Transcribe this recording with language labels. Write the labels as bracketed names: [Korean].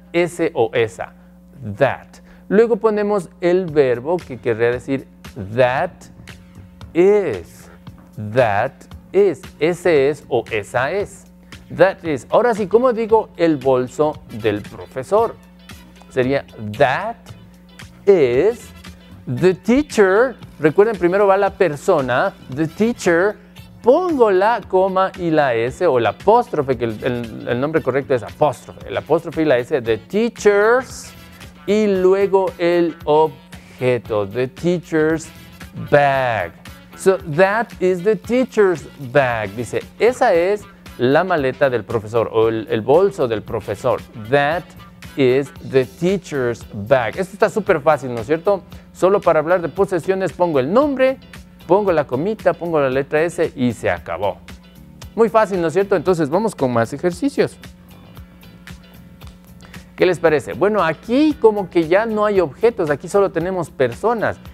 [Spanish] Ese o esa. That. Luego ponemos el verbo que querría decir that is. [English] That is. [Spanish] Ese es o esa es. That is. Ahora sí, ¿cómo digo el bolso del profesor? Sería [English] that is the teacher. [Spanish] Recuerden, primero va la persona, [English] the teacher, [Spanish] pongo la coma y la S o la apóstrofe, que el nombre correcto es apóstrofe. El apóstrofe y la S, the teacher's, y luego el objeto, [English] the teacher's bag. So that is the teacher's bag. [Spanish] Dice, esa es la maleta del profesor o el bolso del profesor. [English] That is the teacher's bag. [Spanish] Esto está súper fácil, ¿no es cierto? Solo para hablar de posesiones pongo el nombre, pongo la comita, pongo la letra S y se acabó. Muy fácil, ¿no es cierto? Entonces vamos con más ejercicios. ¿Qué les parece? Bueno, aquí como que ya no hay objetos, aquí solo tenemos personas.